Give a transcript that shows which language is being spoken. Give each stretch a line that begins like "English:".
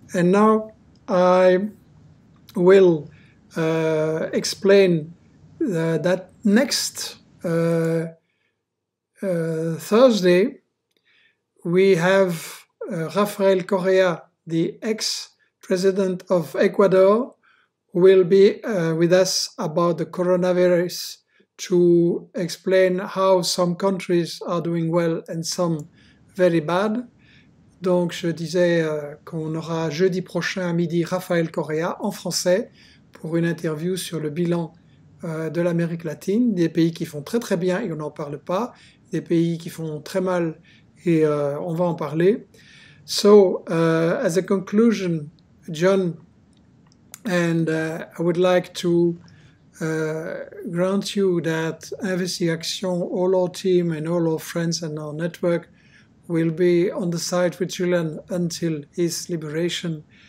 English: And now I will explain that next Thursday, we have Rafael Correa, the ex-president of Ecuador, who will be with us about the coronavirus to explain how some countries are doing well and some very bad.
French: Donc, je disais qu'on aura jeudi prochain à midi Rafael Correa en français pour une interview sur le bilan de l'Amérique latine, des pays qui font très très bien et on n'en parle pas, des pays qui font très mal et on va en parler.
English: So, as a conclusion, John, and I would like to grant you that Investigation, all our team and all our friends and our network will be on the side with Julian until his liberation.